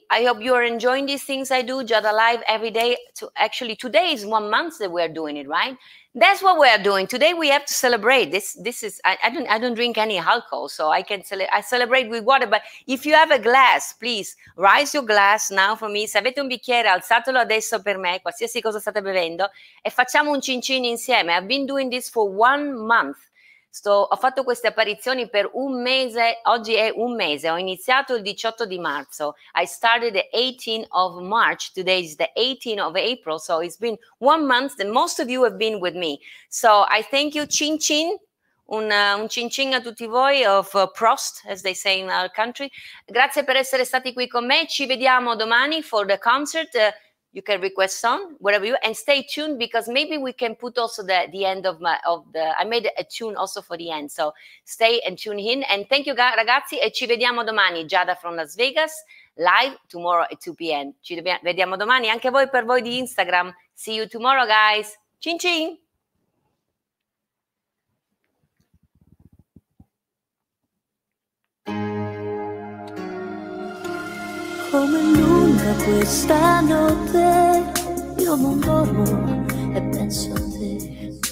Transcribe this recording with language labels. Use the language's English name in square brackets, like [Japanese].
[English] I hope you are enjoying these things I do, Giada Live every day. Actually, today is 1 month that we're doing it, right? That's what we're doing. Today we have to celebrate. I don't drink any alcohol, so I can celebrate with water. But if you have a glass, please rise your glass now for me. [Italian] Se avete un bicchiere, alzatelo adesso per me, qualsiasi cosa state bevendo, e facciamo un cin cin insieme. [English] I've been doing this for 1 month. [Italian] Ho fatto queste apparizioni per un mese, oggi è un mese, ho iniziato il 18 di marzo. [English] I started the 18th of March, today is the 18th of April, so it's been 1 month that most of you have been with me. So I thank you, cin cin, [Italian] un cin cin a tutti voi, [English] of Prost, as they say in our country. [Italian] Grazie per essere stati qui con me, ci vediamo domani [English] for the concert. You can request some, whatever you, and stay tuned because maybe we can put also the end of I made a tune also for the end. So stay and tune in. And thank you, [Italian] ragazzi, e ci vediamo domani. [English] Giada from Las Vegas, live tomorrow at 2 p.m. [Italian] Ci vediamo domani. Anche voi, per voi di Instagram. [English] See you tomorrow, guys. Cin cin! [Italian] Come lunga questa notte, io non dormo e penso a te.